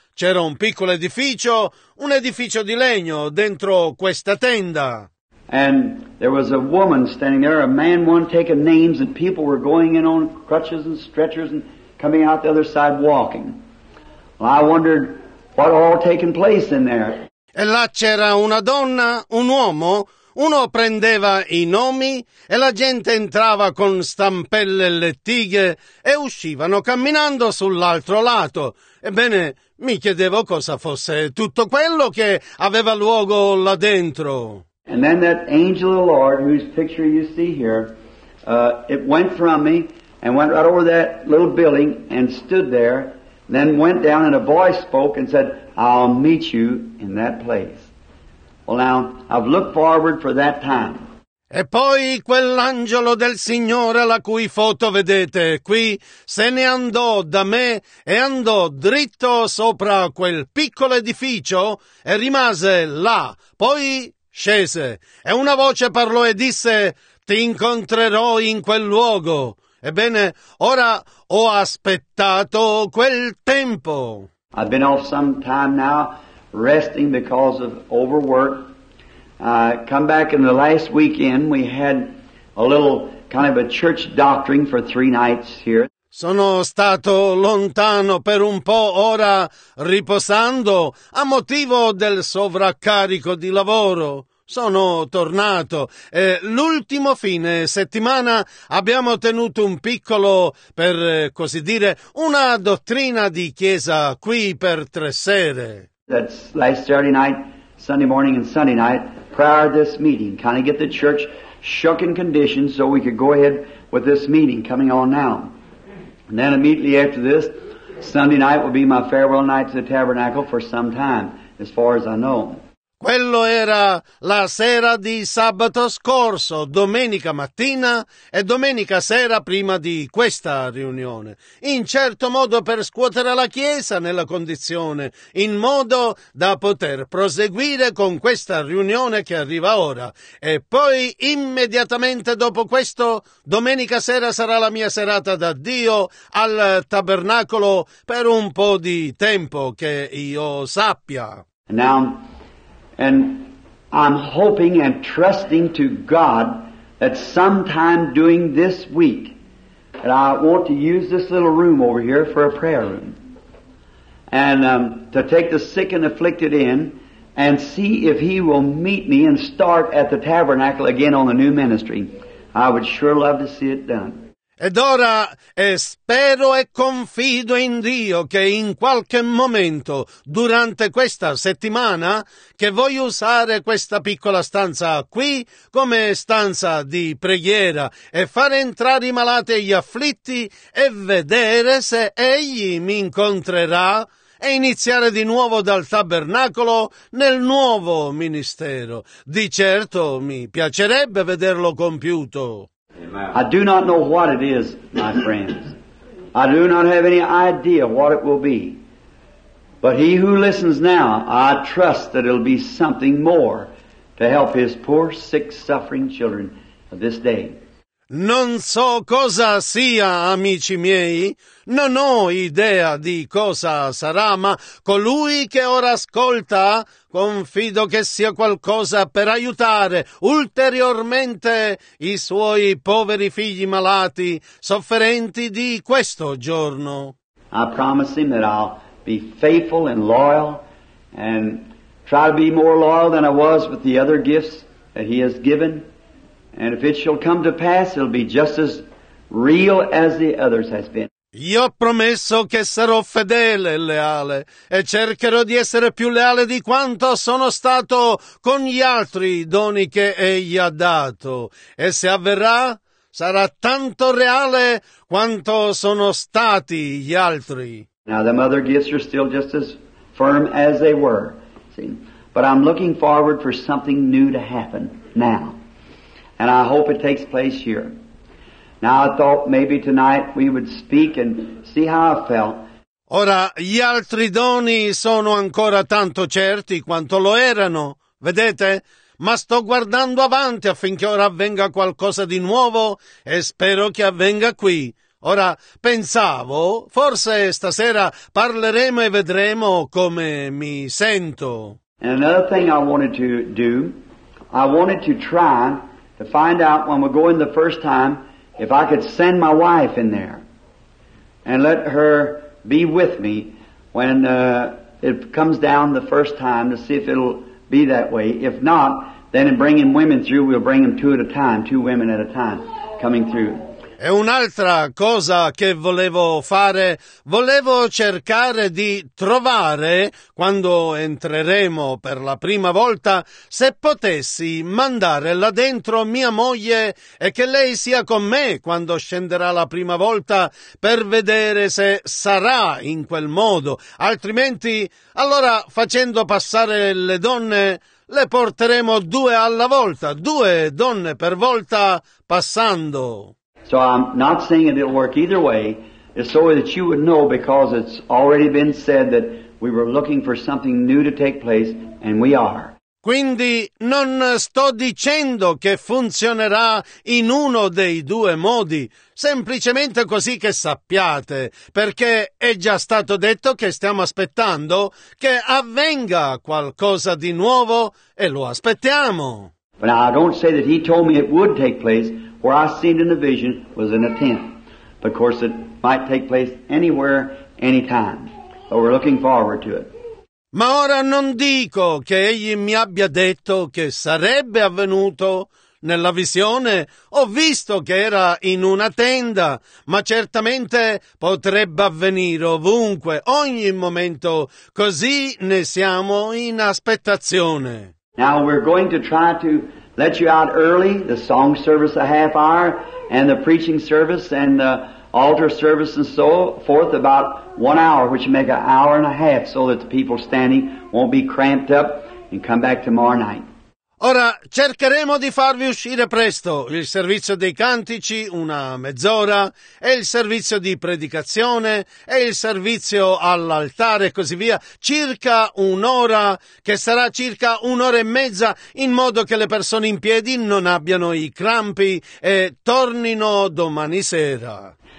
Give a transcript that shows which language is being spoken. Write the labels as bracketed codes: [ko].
[it] C'era un piccolo edificio, un edificio di legno dentro questa tenda. [en] And there was a woman standing there, a man one taking names, and people were going in on crutches and stretchers and coming out the other side walking. I wondered what all taken place in there. [it] E là c'era una donna, un uomo, uno prendeva i nomi e la gente entrava con stampelle e lettighe e uscivano camminando sull'altro lato. Ebbene, mi chiedevo cosa fosse tutto quello che aveva luogo là dentro. [en] And then that angel of the Lord, whose picture you see here, it went from me and went right over that little building and stood there. Then went down and a voice spoke and said, I'll meet you in that place. Well now, I've looked forward for that time. [it] E poi quell'angelo del Signore, la cui foto vedete qui, se ne andò da me e andò dritto sopra quel piccolo edificio e rimase là. Poi scese e una voce parlò e disse, ti incontrerò in quel luogo. Ebbene, ora ho aspettato quel tempo. [en] I've been off some time now, resting because of overwork. Come back in the last weekend, we had a little kind of a church doctrine for three nights here. [it] Sono stato lontano per un po' ora, riposando, a motivo del sovraccarico di lavoro. Sono tornato e l'ultimo fine settimana abbiamo tenuto un piccolo, per così dire, una dottrina di chiesa qui per tre sere. [en] That's last Saturday night, Sunday morning and Sunday night, prior to this meeting, kind of get the church shook in condition so we could go ahead with this meeting coming on now. And then immediately after this, Sunday night will be my farewell night to the tabernacle for some time, as far as I know. [it] Quello era la sera di sabato scorso, domenica mattina e domenica sera prima di questa riunione. In certo modo per scuotere la Chiesa nella condizione, in modo da poter proseguire con questa riunione che arriva ora. E poi immediatamente dopo questo, domenica sera sarà la mia serata d'addio al tabernacolo per un po' di tempo, che io sappia. [en] Now. And I'm hoping and trusting to God that sometime during this week that I want to use this little room over here for a prayer room and to take the sick and afflicted in and see if he will meet me and start at the tabernacle again on the new ministry. I would sure love to see it done. [it] Ed ora spero e confido in Dio che in qualche momento durante questa settimana che voglio usare questa piccola stanza qui come stanza di preghiera e far entrare i malati e gli afflitti e vedere se egli mi incontrerà e iniziare di nuovo dal tabernacolo nel nuovo ministero. Di certo mi piacerebbe vederlo compiuto. [en] I do not know what it is, my friends. I do not have any idea what it will be. But he who listens now, I trust that it'll be something more to help his poor, sick, suffering children of this day. [it] Non so cosa sia, amici miei, non ho idea di cosa sarà, ma colui che ora ascolta, confido che sia qualcosa per aiutare ulteriormente i suoi poveri figli malati, sofferenti di questo giorno. [en] I promise him that I'll be faithful and loyal and try to be more loyal than I was with the other gifts that he has given. And if it shall come to pass, it'll be just as real as the others has been. [it] Io ho promesso che sarò fedele e leale, e cercherò di essere più leale di quanto sono stato con gli altri doni che egli ha dato. E se avverrà, sarà tanto reale quanto sono stati gli altri. [en] Now the other gifts are still just as firm as they were. See? But I'm looking forward for something new to happen now. And I hope it takes place here. Now I thought maybe tonight we would speak and see how I felt. [it] Ora, gli altri doni sono ancora tanto certi quanto lo erano, vedete? Ma sto guardando avanti affinché ora avvenga qualcosa di nuovo e spero che avvenga qui. Ora, pensavo, forse stasera parleremo e vedremo come mi sento. [en] And another thing I wanted to do, I wanted to try to find out when we go in the first time if I could send my wife in there and let her be with me when it comes down the first time to see if it'll be that way. If not, then in bringing women through, we'll bring them two at a time, two women at a time coming through. [it] E un'altra cosa che volevo fare, volevo cercare di trovare, quando entreremo per la prima volta, se potessi mandare là dentro mia moglie e che lei sia con me quando scenderà la prima volta per vedere se sarà in quel modo. Altrimenti, allora facendo passare le donne, le porteremo due alla volta, due donne per volta passando. [en] So I'm not saying it'll work either way, it's so that you would know because it's already been said that we were looking for something new to take place, and we are. [it] Quindi non sto dicendo che funzionerà in uno dei due modi, semplicemente così che sappiate, perché è già stato detto che stiamo aspettando che avvenga qualcosa di nuovo e lo aspettiamo. [en] But now, I don't say that he told me it would take place. Where I seen in the vision was in a tent. But of course, it might take place anywhere, anytime. But we're looking forward to it. [it] Ma ora non dico che egli mi abbia detto che sarebbe avvenuto nella visione. Ho visto che era in una tenda, ma certamente potrebbe avvenire ovunque, ogni momento. Così ne siamo in aspettazione. [en] Now we're going to try to let you out early, the song service a half hour, and the preaching service and the altar service and so forth about 1 hour, which make an hour and a half so that the people standing won't be cramped up and come back tomorrow night. [it] Ora cercheremo di farvi uscire presto, il servizio dei cantici, una mezz'ora, e il servizio di predicazione, e il servizio all'altare e così via, circa un'ora, che sarà circa un'ora e mezza, in modo che le persone in piedi non abbiano i crampi e tornino domani sera.